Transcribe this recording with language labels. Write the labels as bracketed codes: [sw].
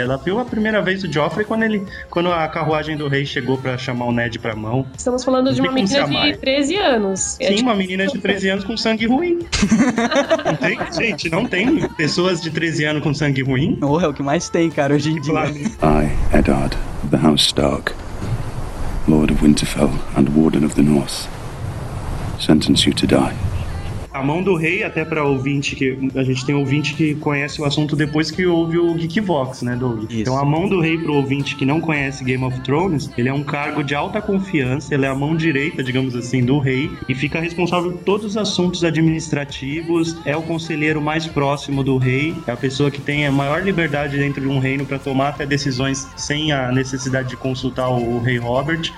[pt] Ela viu a primeira vez o Joffrey quando a carruagem do rei chegou pra chamar o Ned pra mão. Estamos falando de uma menina de 13 anos. Sim, uma menina de 13 anos com sangue ruim. Não tem, gente, não tem pessoas de 13 anos com sangue ruim. Porra, é o que mais tem, cara, hoje em dia. [en] I, Eddard, the House Stark, Lord of Winterfell and Warden of the North, sentence you to die. [pt] A mão do rei, até pra ouvinte que... A gente tem ouvinte que conhece o assunto depois que ouve o Geekvox, né, Doug? Isso. Então, a mão do rei pro ouvinte que não conhece Game of Thrones, ele é um cargo de alta confiança, ele é a mão direita, digamos assim, do rei, e fica responsável por todos os assuntos administrativos, é o conselheiro mais próximo do rei, é a pessoa que tem a maior liberdade dentro de um reino pra tomar até decisões sem a necessidade de consultar o rei Robert.